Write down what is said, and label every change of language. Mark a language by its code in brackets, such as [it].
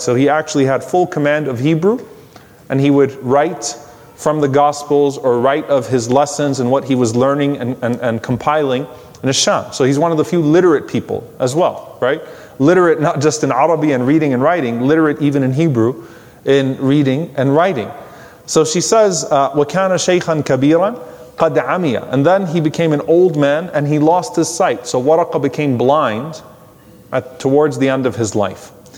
[en] So he actually had full command of Hebrew, and he would write from the Gospels or write of his lessons and what he was learning and compiling in Ash-Sham. So he's one of the few literate people as well, right? Literate not just in Arabic and reading and writing, literate even in Hebrew in reading and writing. So she says, [ar] وَكَانَ شَيْخًا كَبِيرًا قَدْ عَمِيَ. [en] And then he became an old man and he lost his sight. So Waraqa became blind towards the end of his life.